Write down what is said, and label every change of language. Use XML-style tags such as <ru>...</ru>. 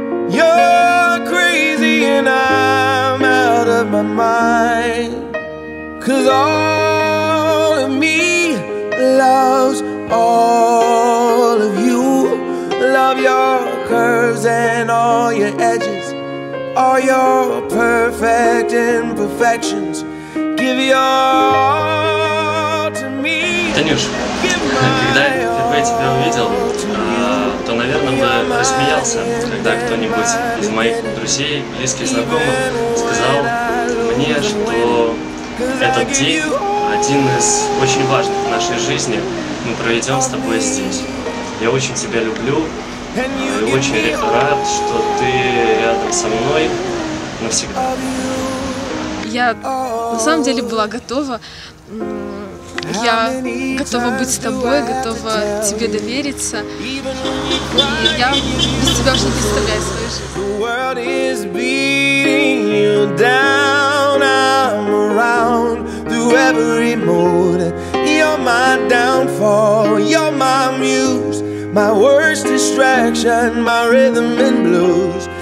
<en>You're crazy and I'm out of my mind, 'cause all of me loves all of you. Love your curves and all your edges, all your perfect imperfections. Give your all to me.</en> <ru>Танюш, когда впервые тебя увидел, то, наверное, бы рассмеялся, когда кто-нибудь из моих друзей, близких, знакомых сказал мне, что этот день один из очень важных в нашей жизни. Мы проведем с тобой здесь. Я очень тебя люблю и очень рад, что ты рядом со мной навсегда. Я на самом деле была готова. Я готова быть с тобой, готова тебе довериться. И я без тебя уже не представляю свою жизнь.</ru> <en>The world is beating you down, I'm around through every mode. You're my downfall, you're my muse, my worst distraction, my rhythm and blues.</en>